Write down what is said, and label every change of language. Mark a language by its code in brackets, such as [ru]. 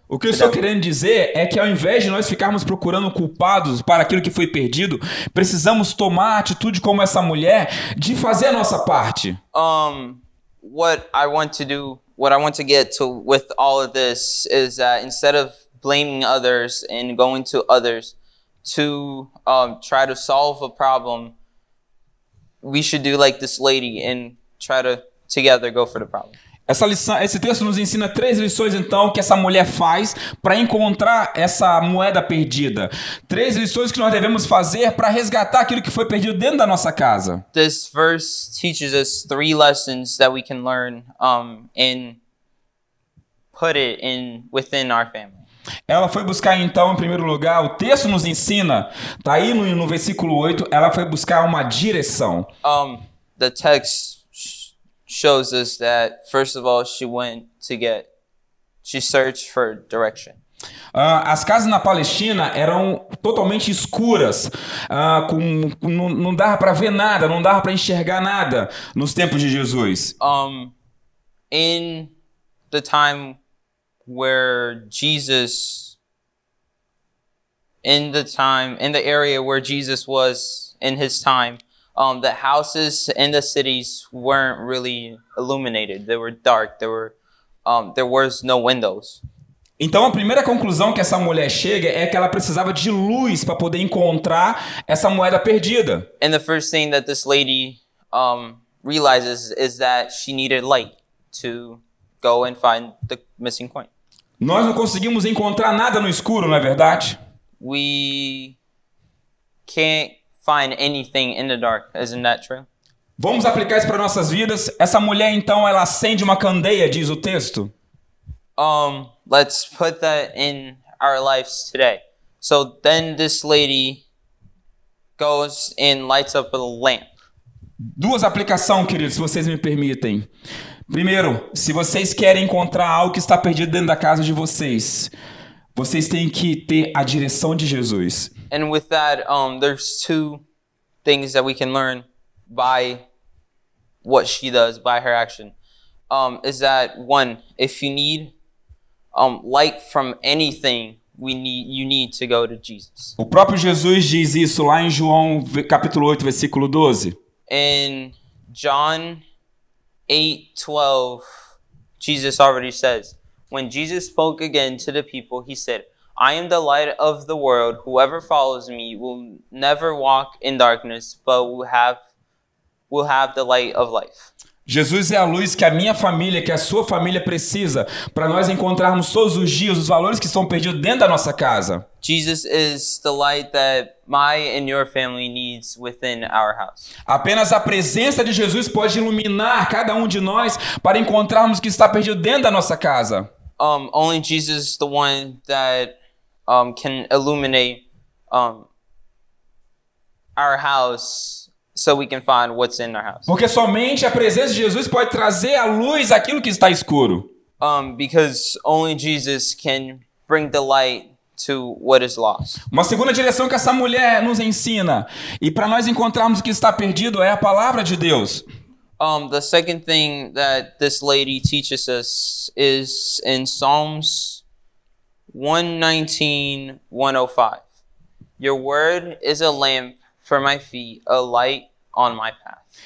[pt] O que eu estou querendo dizer é que ao invés de nós ficarmos procurando culpados para aquilo que foi perdido, precisamos tomar a atitude como essa mulher de fazer a nossa parte. [en] What I want to get to with all of this is that instead of blaming others and going to others to try to solve a problem, we should do like this lady and try to together go for the problem. [pt] Essa lição, esse texto nos ensina três lições, então, que essa mulher faz para encontrar essa moeda perdida. Três lições que nós devemos fazer para resgatar aquilo que foi perdido dentro da nossa casa. [en] This verse teaches us three lessons that we can learn and put it in within our family. [pt] Ela foi buscar, então, em primeiro lugar, o texto nos ensina, tá aí no versículo 8, ela foi buscar uma direção. [en] The text shows us that, first of all, she went to get, she searched for direction. [pt] As casas na Palestina eram totalmente escuras, não dava para ver nada, não dava para enxergar nada nos tempos de Jesus. [en] In the time where Jesus, in the area where Jesus was in his time, the houses in the cities weren't really illuminated. They were dark. There was no windows. [pt] Então a primeira conclusão que essa mulher chega é que ela precisava de luz para poder encontrar essa moeda perdida. [en] And the first thing that this lady realizes is that she needed light to go and find the missing coin. [pt] Nós não conseguimos encontrar nada no escuro, não é verdade? [en] We can't find anything in the dark, isn't that true? [pt] Vamos aplicar isso para nossas vidas. Essa mulher então ela acende uma candeia, diz o texto. [en] Let's put that in our lives today. So then this lady goes and lights up a lamp. [pt] Duas aplicações, queridos, se vocês me permitem. Primeiro, se vocês querem encontrar algo que está perdido dentro da casa de vocês, vocês têm que ter a direção de Jesus. [en] And with that, there's two things that we can learn by what she does, by her action. Is that one, if you need light from anything, you need to go to Jesus. [pt] O próprio Jesus diz isso lá em João capítulo 8, versículo 12. [en] In John 8, 12, Jesus already says, when Jesus spoke again to the people, he said, I am the light of the world. Whoever follows me will never walk in darkness, but will have the light of life. [pt] Jesus é a luz que a minha família, que a sua família precisa para nós encontrarmos todos os dias os valores que estão perdidos dentro da nossa casa. [en] Jesus is the light that my and your family needs within our house. [pt] Apenas a presença de Jesus pode iluminar cada um de nós para encontrarmos o que está perdido dentro da nossa casa. [en] Only Jesus is the one that can illuminate our house so we can find what's in our house. [pt] Porque somente a presença de Jesus pode trazer à luz aquilo que está escuro. [en] Because only Jesus can bring the light to what is lost. [pt] Uma segunda direção que essa mulher nos ensina e para nós encontrarmos o que está perdido é a palavra de Deus. [en] The second thing that this lady teaches us is in Psalms 119:105. Your word is a lamp for my feet, a light on my path.